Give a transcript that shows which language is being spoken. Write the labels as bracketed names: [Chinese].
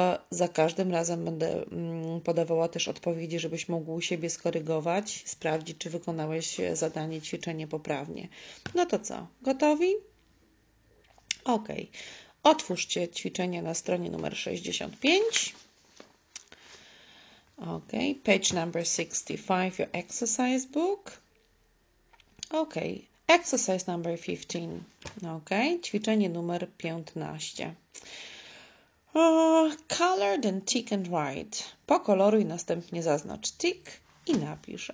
[Polish] Za każdym razem będę podawała też odpowiedzi, żebyś mógł u siebie skorygować, sprawdzić, czy wykonałeś zadanie, ćwiczenie poprawnie. No to co? Gotowi? Ok. Otwórzcie ćwiczenie na stronie numer 65. Ok. [English] Page number 65, your exercise book. Ok. Exercise number 15. Ok. [Polish] Ćwiczenie numer 15. [English] Color, then tick and write. [Polish] Pokoloruj, następnie zaznacz tick i napisz.